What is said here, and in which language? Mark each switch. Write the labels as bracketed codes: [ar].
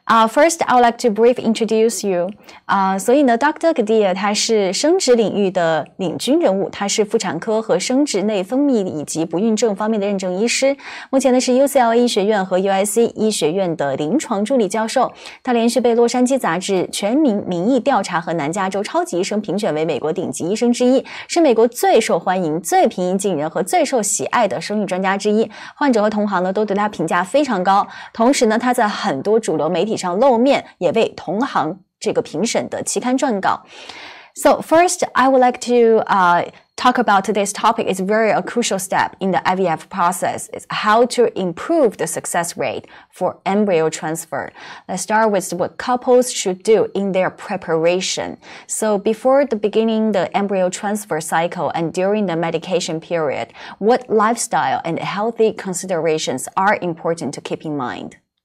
[en] First, I would like to brief introduce you. [zh] 所以呢 ，Dr. Ghadir 他是生殖领域的领军人物，他是妇产科和生殖内分泌以及不孕症方面的认证医师。目前呢是 UCLA 医学院和 USC 医学院的临床助理教授。他连续被洛杉矶杂志《全民民意调查》和南加州超级医生评选为美国顶级医生之一，是美国最受欢迎、最平易近人和最受喜爱的生育专家之一。患者和同行呢都对他评价非常高。同时呢，他在很多主流媒体上露面，也为同行这个评审的期刊撰稿。 [en] So first, I would like to talk about today's topic. It's very a crucial step in the IVF process. It's how to improve the success rate for embryo transfer. Let's start with what couples should do in their preparation. So before the beginning the embryo transfer cycle and during the medication period, what lifestyle and healthy considerations are important to keep in mind?